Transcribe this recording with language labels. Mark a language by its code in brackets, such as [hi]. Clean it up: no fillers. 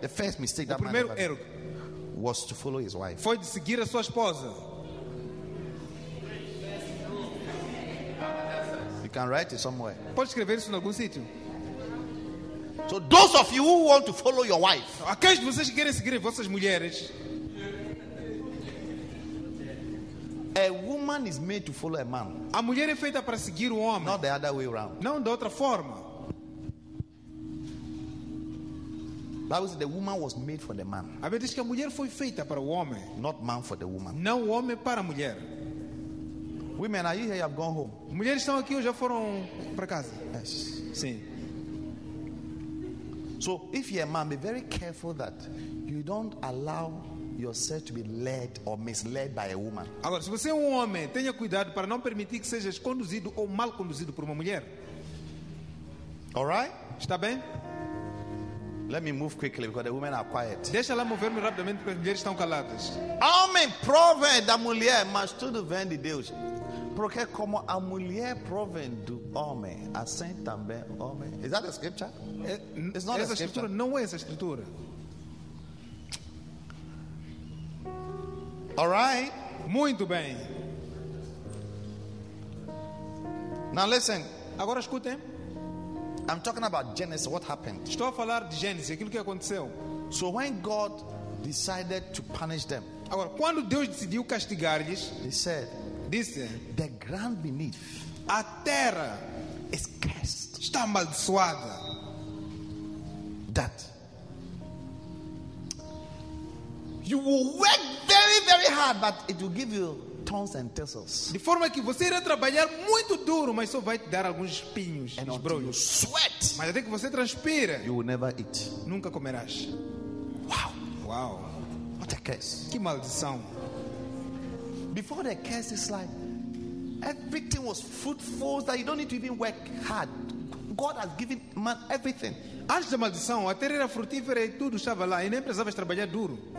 [en] The first mistake [pt] o [en] that [pt] primeiro [en] man ever [pt] erro [en] made was to follow his wife. [pt] Foi de seguir a sua esposa. [en] You can write it somewhere. [pt] Pode escrever isso em algum sítio. [en] So those of you who want to follow your wife. [pt] Aqueles de vocês que querem seguir vossas mulheres. [en] A woman is made to follow a man. [pt] A mulher é feita para seguir o homem. [en] Not the other way around. [pt] Não de outra forma. [en] Bible says the woman was made for the man. [pt] A Bíblia diz que a mulher foi feita para o homem. [en] Not man for the woman. [pt] Não o homem para a mulher. [en] Women, are you here? You have gone home. [pt] Mulheres estão aqui ou já foram para casa? [en] Yes. [pt] Sim. [en] So, if you're a man, be very careful that you don't allow yourself to be led or misled by a woman. [pt] Agora, se você é homem, tenha cuidado para não permitir que sejas conduzido ou mal conduzido por uma mulher. [en] All right? [pt] Está bem? [en] Let me move quickly because the women are quiet. [pt] Deixa ela mover-me rapidamente porque as mulheres estão caladas. Homem, provém da mulher, mas tudo vem de Deus. Porque como a mulher provém do homem, assim também o homem. [en] Is that a scripture? It's not essa a scripture. [pt] Não é essa escritura. [en] All right. [pt] Muito bem. [en] Now listen. [pt] Agora escutem. [en] I'm talking about Genesis, what happened. [pt] Estou a falar de Gênesis, aquilo que aconteceu. [en] So when God decided to punish them. [pt] Agora, quando Deus decidiu castigar-lhes, [en] he said, [pt] disse, [en] the ground beneath, [pt] a terra [en] is cursed. [pt] Está amaldiçoada. [en] That you will work very, very hard, but it will give you thorns and thistles. [pt] De forma que você irá trabalhar muito duro, mas só vai te dar alguns espinhos, [en] and [pt] esbrolhos. [en] You sweat, [pt] mas até que você transpira, [en] you will never eat. [pt] Nunca comerás. Wow. Wow. [en] What a curse. [pt] Que maldição. [en] Before the curse, it's like everything was fruitful, that you don't need to even work hard. God has given man everything. [pt] Antes da maldição, a terra era frutífera e tudo estava lá, e nem precisava trabalhar duro.